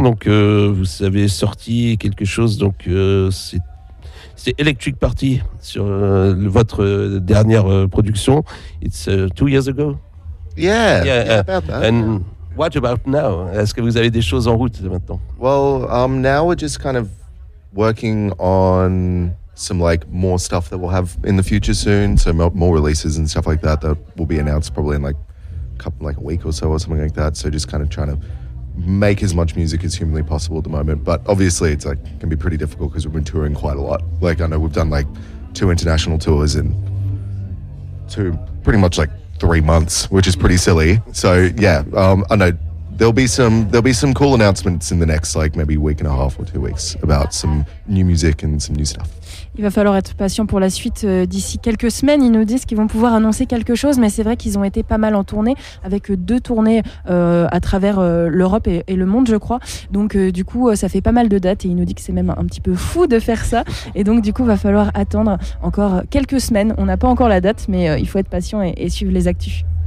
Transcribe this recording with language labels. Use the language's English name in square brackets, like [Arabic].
[French] Donc vous avez sorti quelque chose. Donc c'est Electric Party sur votre dernière production. [English] It's 2 years ago. Yeah, about that. What about now? [French] Est-ce que vous avez des choses en route maintenant? [English] Well, now we're just kind of working on some like more stuff that we'll have in the future soon. So more releases and stuff like that will be announced probably in like a couple, like a week or so or something like that. So just kind of trying to make as much music as humanly possible at the moment, but obviously it's like can be pretty difficult because we've been touring quite a lot. Like I know we've done like 2 international tours in pretty much like 3 months, which is pretty silly. So yeah, I know there'll be some cool announcements in the next like maybe week and a half or 2 weeks about some new music and some new stuff. [French] Il va falloir être patient pour la suite d'ici quelques semaines. Ils nous disent qu'ils vont pouvoir annoncer quelque chose, mais c'est vrai qu'ils ont été pas mal en tournée, avec 2 tournées à travers l'Europe et le monde, je crois. Donc du coup, ça fait pas mal de dates et ils nous disent que c'est même un petit peu fou de faire ça. Et donc du coup, il va falloir attendre encore quelques semaines. On n'a pas encore la date, mais il faut être patient et suivre les actus.